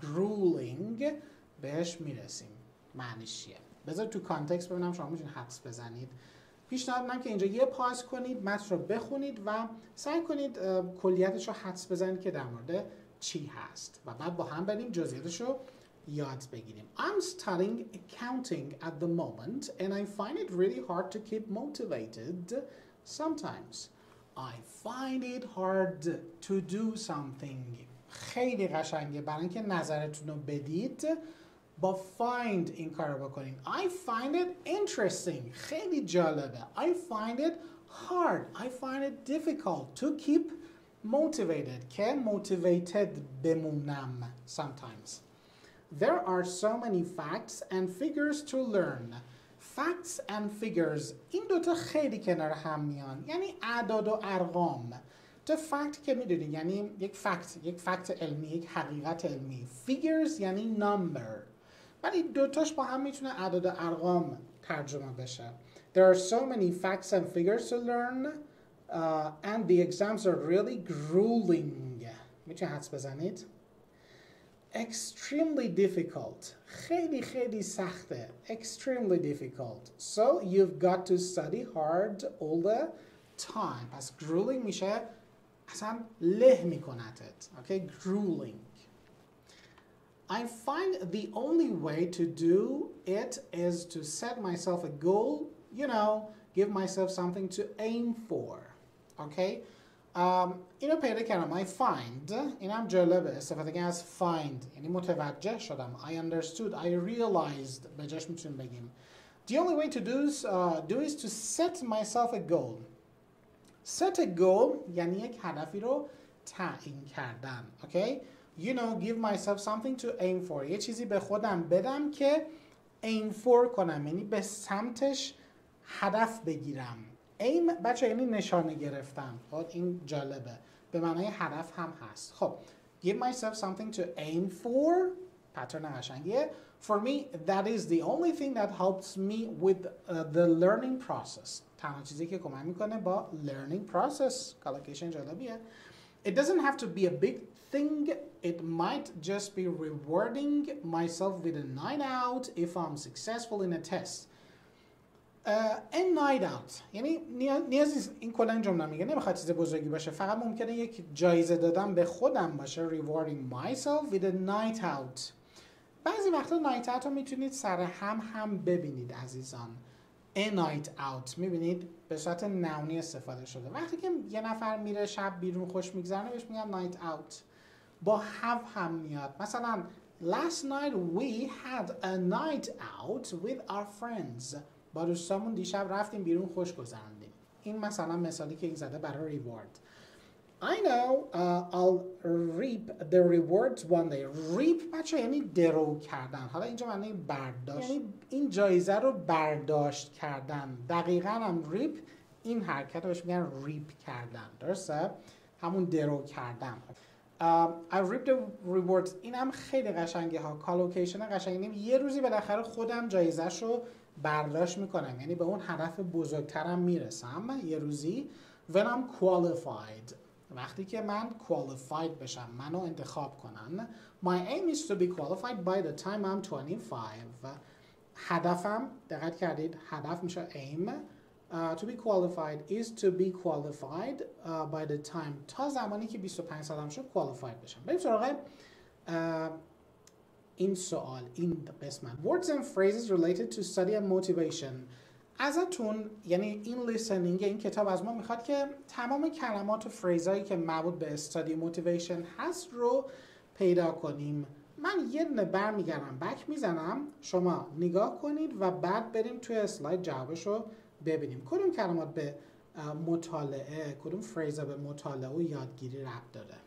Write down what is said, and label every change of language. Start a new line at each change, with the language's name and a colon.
Persian: گرولینگ بهش میرسیم معنیش چیه. بذار تو کانتکست ببینم شما میتونید حدس بزنید. پیشنهاد میکنم که اینجا یه پاس کنید، متن رو بخونید و سعی کنید کلیتش رو حدس بزنید که در مورد چی هست و بعد با هم بریم جزئیاتش رو یاد بگیریم.
English: I'm studying accounting at the moment and I find it really hard to keep motivated sometimes. I find it hard to do something.
Persian: خیلی قشنگه، برای اینکه نظرتون رو بدید با find این کار رو بکنین.
English: I find it interesting.
Persian: خیلی جالبه.
English: I find it hard. I find it difficult to keep motivated.
Persian: که motivated بمونم sometimes.
English: There are so many facts and figures to learn. Facts and figures.
Persian: این دوتا خیلی کنار هم میان. یعنی اعداد و ارقام. تو فکت که میدونی یعنی یک فکت، یک فکت علمی، یک حقیقت علمی. فیگرز یعنی نمبر، ولی دوتاش با هم میتونه عدد و ارقام ترجمه بشه.
English: There are so many facts and figures to learn and the exams are really grueling.
Persian: میتونی حدس بزنید؟
English: Extremely difficult.
Persian: خیلی خیلی سخته.
English: Extremely difficult. So you've got to study hard all the time.
Persian: پس grueling میشه اصلا له میکندت.
English: Okay, grueling. I find the only way to do it is to set myself a goal, you know, give myself something to aim for.
Persian: Okay? اینو پیدا کردم.
English: I find.
Persian: اینم جالبه. استفاده کردم از find. یعنی متوجه شدم.
English: I understood. I realized.
Persian: به جاش میتونیم بگیم.
English: The only way to do is to set myself a goal.
Persian: Set a goal یعنی یک هدفی رو تعیین کردن.
English: Okay? You know, give myself something to aim for.
Persian: یه چیزی به خودم بدم که aim for کنم. یعنی به سمتش هدف بگیرم. Aim بچه یعنی نشانه گرفتم. خب این جالبه. به معنای هدف هم هست. خب.
English: Give myself something to aim for.
Persian: پترن قشنگیه.
English: For me, that is the only thing that helps me with the learning process.
Persian: تنها چیزی که کمک میکنه با learning process. collocation جالبیه.
English: It doesn't have to be a big thing. It might just be rewarding myself with a night out if I'm successful in a test. A night out.
Persian: یعنی نیاز نیست این کلا جمله میگه نمیخواد چیز بزرگی باشه، فقط ممکنه یک جایزه دادن به خودم باشه.
English: Rewarding myself with a night out.
Persian: بعضی وقتا night out رو میتونید سر هم ببینید عزیزان.
English: A night out.
Persian: میبینید به صورت نونی استفاده شده. وقتی که یه نفر میره شب بیرون خوش میگذرنه بهش میگن night out. با have هم میاد.
English: مثلا last night we had a night out with our friends.
Persian: با دوستامون دیشب رفتیم بیرون خوش گذراندیم. این مثلا مثالی که این زده برای reward.
English: I know I'll reap the rewards one day.
Persian: Reap بچه یعنی درو کردن. حالا اینجا معنی برداشت. یعنی این جایزه رو برداشت کردن. دقیقا هم reap این حرکت رو بهش میگن reap کردن. درسته؟ همون درو کردن.
English: I reap the rewards.
Persian: این هم خیلی قشنگه ها. collocation قشنگه. یعنی یه روزی بالاخره خودم جایزه رو برداشت میکنم. یعنی به اون هدف بزرگترم میرسم. یه روزی
English: when I'm qualified.
Persian: وقتی که من qualified بشم، منو انتخاب کنن.
English: My aim is to be qualified by the time I'm 25.
Persian: هدفم، دقت کردید، هدف میشه aim.
English: To be qualified is to be qualified by the time.
Persian: تا زمانی که 25 سالم شد qualified بشم. بریم سراغ این سوال، این قسمت.
English: Words and phrases related to study and motivation.
Persian: ازتون یعنی این لیسنینگ این کتاب از ما میخواد که تمام کلمات و فریزایی که مربوط به استادی موتیویشن هست رو پیدا کنیم. من یه دونه برمیگردم بک میزنم، شما نگاه کنید و بعد بریم توی اسلاید جوابش رو ببینیم کدوم کلمات به مطالعه، کدوم فریزا به مطالعه و یادگیری ربط داره.